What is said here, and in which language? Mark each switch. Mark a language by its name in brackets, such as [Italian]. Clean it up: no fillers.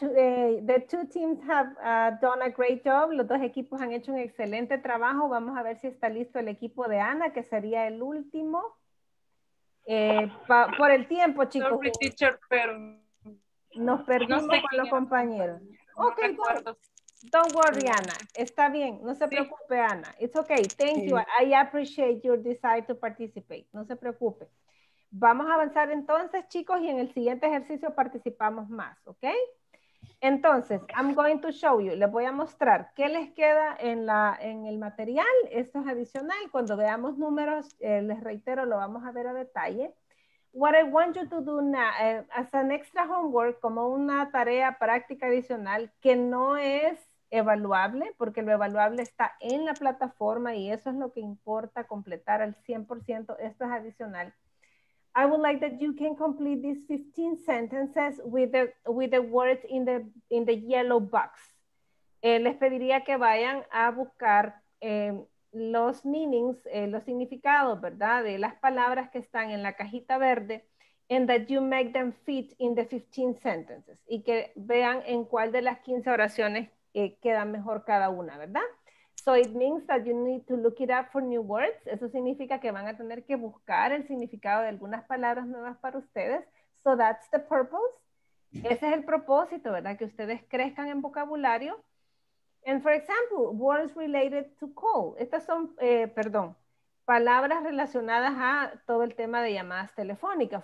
[English] The two teams have done a great job. [Spanish] Los dos equipos han hecho un excelente trabajo. Vamos a ver si está listo el equipo de Ana, que sería el último. Por el tiempo, chicos. [English] Sorry, teacher, [Spanish] pero... Nos perdimos no sé con los compañeros. [English] Ok, no don't worry, [Spanish] Ana. Está bien, no se preocupe, [English] Ana. It's okay, thank you. I appreciate your desire to participate. [Spanish] No se preocupe. Vamos a avanzar entonces, chicos, y en el siguiente ejercicio participamos más, ¿ok? Entonces, [English] I'm going to show you, [Spanish] les voy a mostrar qué les queda en el material. Esto es adicional, cuando veamos números, les reitero, lo vamos a ver a detalle. [English] What I want you to do now, as an extra homework, [Spanish] como una tarea práctica adicional, que no es evaluable, porque lo evaluable está en la plataforma y eso es lo que importa completar al 100%, esto es adicional. [English] I would like that you can complete these 15 sentences with the words in the yellow box. [Spanish] Les pediría que vayan a buscar los meanings, los significados, ¿verdad? De las palabras que están en la cajita verde, [English] and that you make them fit in the 15 sentences. [Spanish] Y que vean en cuál de las 15 oraciones queda mejor cada una, ¿verdad? [English] So it means that you need to look it up for new words. [Spanish] Eso significa que van a tener que buscar el significado de algunas palabras nuevas para ustedes. [English] So that's the purpose. [Spanish] Ese es el propósito, ¿verdad? Que ustedes crezcan en vocabulario. [English] And for example, words related to call. [Spanish] Estas son, palabras relacionadas a todo el tema de llamadas telefónicas.